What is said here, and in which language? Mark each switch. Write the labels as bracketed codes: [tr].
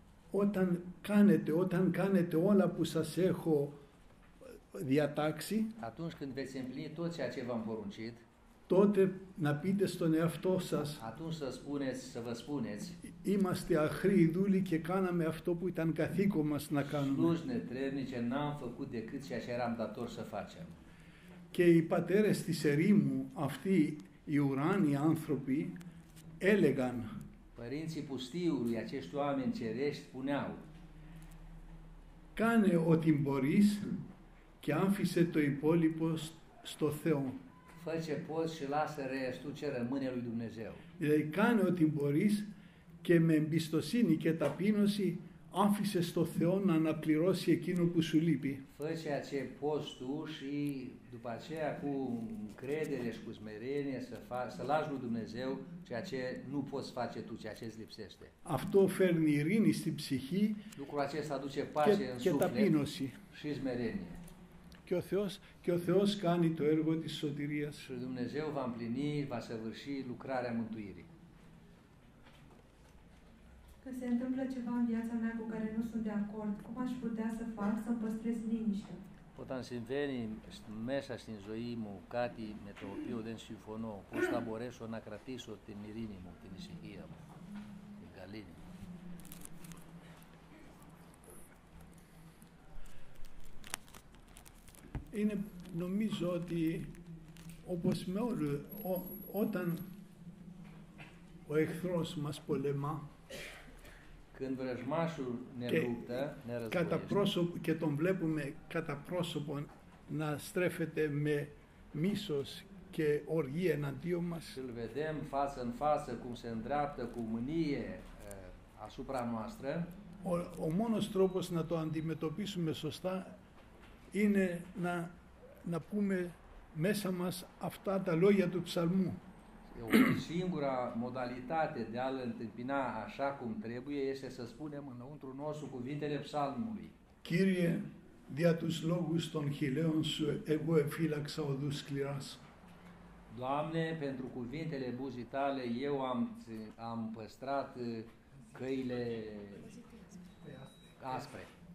[el] Όταν κάνετε όλα που σας έχω διατάξει, [ro] atunci când veți împlini tot ceea ce v-am poruncit, [el] τότε να πείτε στον εαυτό σας, [ro] atunci să spuneți, să vă spuneți, [el] είμαστε αχρίοι δούλοι και κάναμε αυτό που ήταν καθήκον μας να κάνουμε. [ro] Σλούζνε τρέρνιτσε, n-am făcut decât ceea ce eram dator să facem. [el] Και οι πατέρες της ερήμου, αυτοί οι ουράνιοι άνθρωποι, έλεγαν [ro] Părinții pustiului, acești oameni cerești, spuneau [el] «Κάνε ό,τι μπορείς και άφησε το υπόλοιπο στο Θεό». [ro] Φα ce poți și lasă restul ce rămâne lui Dumnezeu. [el] Δηλαδή, κάνε ό,τι μπορείς και με εμπιστοσύνη και ταπείνωση άφησε στο Θεό να αναπληρώσει εκείνο που σου λείπει. [ro] Φα ceea ce poți tu și după aceea cu credere și cu smerenie să lași lui Dumnezeu ceea ce nu poți face tu, ceea ce îți lipsește. [el] Αυτό φέρνει ειρήνη στην ψυχή. [ro] Lucrul acesta aduce pace [el] και, [ro] în suflet. [el] Και ταπείνωση. [ro] Și smerenie. [el] Και ο Θεός κάνει το έργο της σωτηρίας. [ro] Și Dumnezeu va împlini, va săvârși lucrarea mântuirii. Când se întâmplă ceva în viața mea cu care nu sunt de acord, cum aș putea să fac să-mi păstrez liniștea? [el] Όταν συμβαίνει μέσα στην ζωή μου κάτι με το οποίο δεν συμφωνώ, πώς θα μπορέσω να κρατήσω την ειρήνη μου, την ησυχία μου, την καλήνη μου. Είναι, νομίζω ότι όπως με όλου, όταν ο εχθρός μας πολεμά, [ro] când vrăjmașul ne luptă, ne războiește. [el] Και τον βλέπουμε κατά πρόσωπο να στρέφεται με μίσος και οργή εναντίον μας. [ro] Îl vedem față în față cum se îndreaptă cu mânie asupra noastră. [el] Ο μόνος τρόπος να το αντιμετωπίσουμε σωστά είναι να πούμε μέσα μας αυτά τα λόγια του ψαλμού. [ro] O singura modalitate de a-l întâmpina așa cum trebuie este să spunem înăuntru nostru cuvintele psalmului. [el] Kyrie, dia tus logus ton hileon su ego efilaxa odus kliras. [ro] Doamne, pentru cuvintele buzii tale eu am păstrat căile aspre.